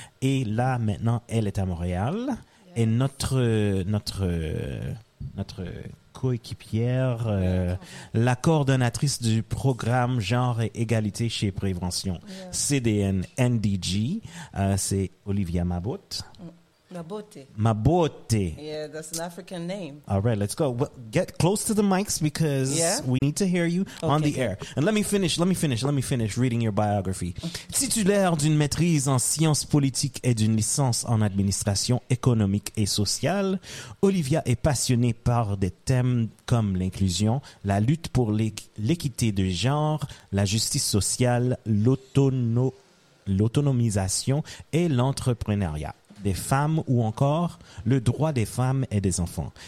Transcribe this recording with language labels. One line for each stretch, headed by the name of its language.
French: Et là, maintenant, elle est à Montréal. Yeah. Et notre coéquipière, la coordonnatrice du programme Genre et Égalité chez Prévention, yeah, CDN-NDG, c'est Olivia Mabot.
English: Mabote. Yeah, that's an African name. All right, let's go. Well, get close to the mics because we need to hear you on the air. And let me finish reading your biography.
French: Titulaire d'une maîtrise en sciences politiques et d'une licence en administration économique et sociale, Olivia est passionnée par des thèmes comme l'inclusion, la lutte pour l'équité de genre, la justice sociale, l'autonomisation et l'entrepreneuriat des femmes ou encore le droit des femmes et des enfants.